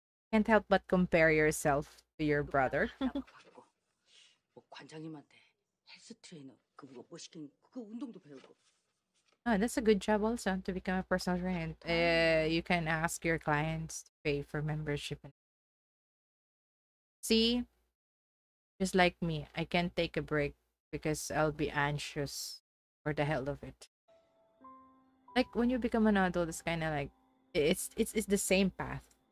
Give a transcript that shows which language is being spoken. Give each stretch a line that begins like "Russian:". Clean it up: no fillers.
English: Can't help but compare yourself to your brother.
Korean: 뭐 관장님한테 헬스 트레이너 그거 뭐 시킨 그 운동도 배우고.
English: Oh, that's a good job also to become a personal trainer. You can ask your clients to pay for membership. See, just like me, I can't take a break because I'll be anxious for the hell of it. Like when you become an adult, it's kind of like it's the same path.